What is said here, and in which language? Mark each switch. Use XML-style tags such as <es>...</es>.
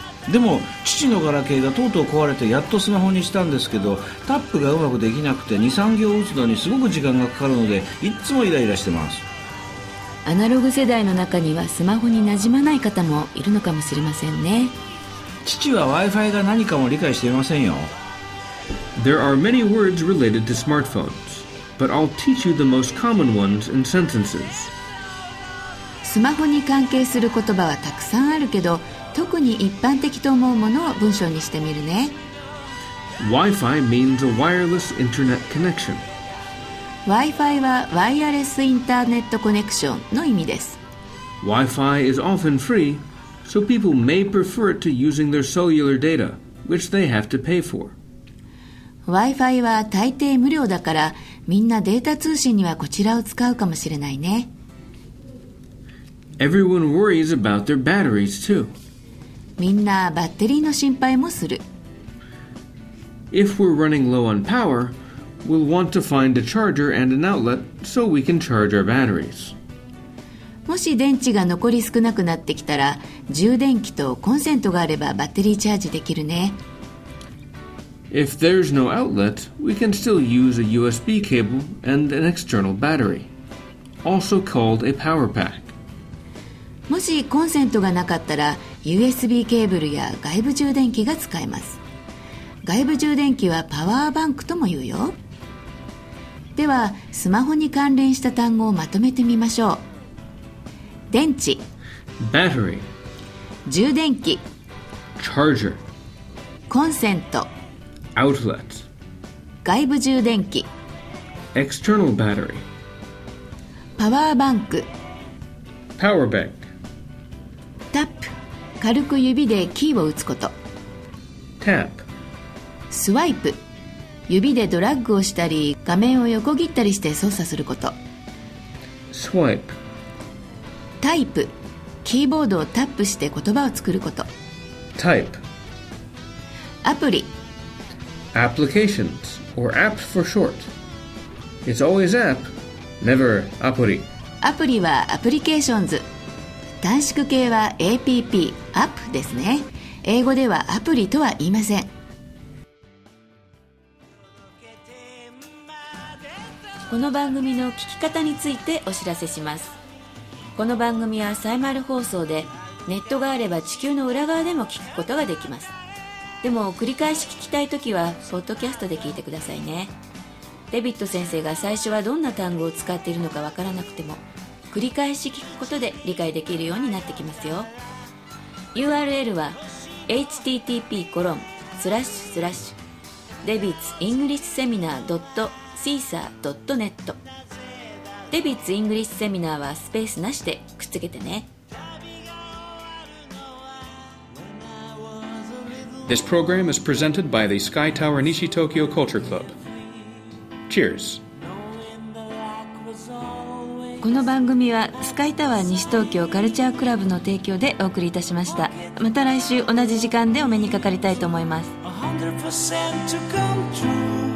<ja>でも父のガラケーがとうとう壊れてやっとスマホにしたんですけど、タップがうまくできなくて 2,3 行打つのにすごく時間がかかるので、いつもイライラしてます。アナログ世代の中にはスマホに馴染まない方もいるのかもしれませんね。父は Wi-Fi が何かも理解していませんよ。</ja> <en>There are many words related to smartphones, but I'll teach you the most common ones in sentences.</en> <ja>スマホに関係する言葉はたくさんあるけど、特に一般的と思うものを文章にしてみるね。</ja> <en>Wi-Fi means a wireless internet connection.</en> <ja>Wi-Fi はワイヤレスインターネットコネクションの意味です。</ja> <en>Wi-Fi is often free, so people may prefer it to using their cellular data, which they have to pay for.</en> <ja>Wi-Fi は大抵無料だから、みんなデータ通信にはこちらを使うかもしれないね。</ja> <en>Everyone worries about their batteries too.</en> <ja>みんなバッテリーの心配もする。</ja> <en>If we're running low on power, we'll want to find a charger and an outlet so we can charge our batteries.</en> <ja>もし電池が残り少なくなってきたら、充電器とコンセントがあればバッテリーチャージできるね。</ja> <en>If there's no outlet, we can still use a USB cable and an external battery, also called a power pack.</en> <ja>もしコンセントがなかったらUSB ケーブルや外部充電器が使えます。外部充電器はパワーバンクとも言うよ。ではスマホに関連した単語をまとめてみましょう。電池</ja> <en>Battery</en> <ja>充電器</ja> <en>Charger</en> <ja>コンセント</ja> <en>Outlet</en> <ja>外部充電器</ja> <en>External Battery</en> <ja>パワーバンク</ja> <en>Power Bank</en> <ja>タップ軽く指でキーを打つこと。</ja> <en>Tap.</en> <ja>スワイプ指でドラッグをしたり画面を横切ったりして操作すること。</ja> <en>Swipe.</en> <ja>タイプキーボードをタップして言葉を作ること。</ja> <en>Type.</en> <ja>アプリ</ja> <en>Applications or apps for short. It's always app, never アプリ。</en> <ja>アプリはアプリケーションズ、短縮形は APP、アップですね。英語ではアプリとは言いません。この番組の聞き方についてお知らせします。この番組はサイマル放送で、ネットがあれば地球の裏側でも聞くことができます。でも繰り返し聞きたいときは、ポッドキャストで聞いてくださいね。デビッド先生が最初はどんな単語を使っているのかわからなくても、繰り返し聞くことで理解できるようになってきますよ。 URL は http://debitsenglishseminar.caesar.net Debits English Seminar はスペースなしでくっつけてね。</ja> <en>This program is presented by the Sky Tower Nishi Tokyo Culture Club. Cheers!</en> <ja>この番組はスカイタワー西東京カルチャークラブの提供でお送りいたしました。また来週同じ時間でお目にかかりたいと思います。</ja> <en>100% to come true.</en>